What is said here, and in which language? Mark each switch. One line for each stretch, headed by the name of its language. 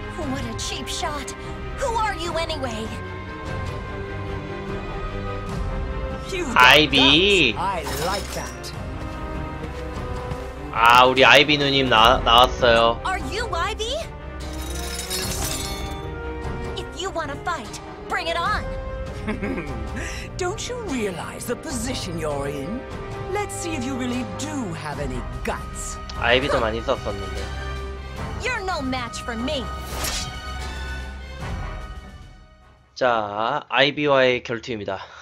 English: What a cheap shot. Who are you anyway? Ivy. I like that.
Korean: 아, 우리 아이비 누님 나왔어요.
English: Are you Ivy? If you want to fight, bring it on. Don't you realize the position you're in? Let's see if you really do have any guts.
Korean: 아이비도 많이 썼었는데.
English: You're no match for me.
Korean: 자, 아이비와의 결투입니다.